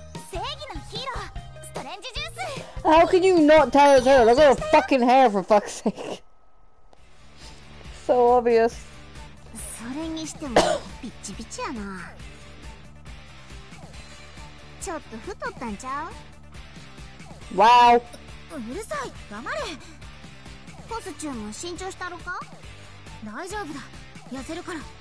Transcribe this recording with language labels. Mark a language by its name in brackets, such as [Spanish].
[Japanese] 正義のヒーロー、ストレンジジュース。 [English] How can you not tie his hair? Look at her fucking hair, for fuck's sake. So obvious. [Japanese] それにしてもピッチピチやな。ちょっと太ったんちゃう？ [English] Wow. [Japanese] うるさい、黙れ。コスチューム新調したろか？大丈夫だ、痩せるから。